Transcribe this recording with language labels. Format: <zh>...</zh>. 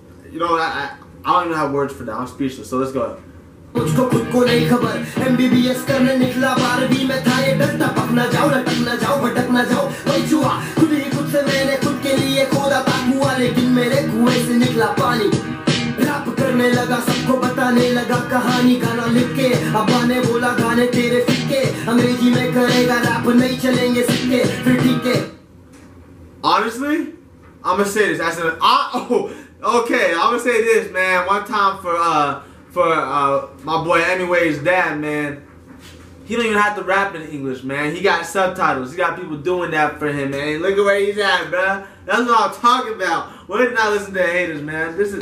<en>I don't even have words for that. I'm speechless. So let's go.</en> <hi>मुझको खुद को नहीं खबर MBBS करने निकला बार भी मैं था ये डरता पक ना जाओ लटक ना जाओ भटक ना जाओ वही चुहा खुद ही खुद से मैंने खुद के लिए खोदा था कुआं लेकिन मेरे कुएं से निकला पानी रैप करने लगा सबको बताने लगा कहानी गाना लिख के अब्बा ने बोला गाने तेरे सिक्के अंग्रेजी में करेगा रैप नहीं चलेंगे सिक्के फिर ठीक है.</hi> <en>Honestly, I'm gonna say this. I'm gonna say this, man. One time for my boy EMIWAY's dad, man. he don't even have to rap in English, man. He got subtitles. He got people doing that for him, man. Look at where he's at, bruh. That's what I'm talking about. We're not listening to haters, man. This is...</en>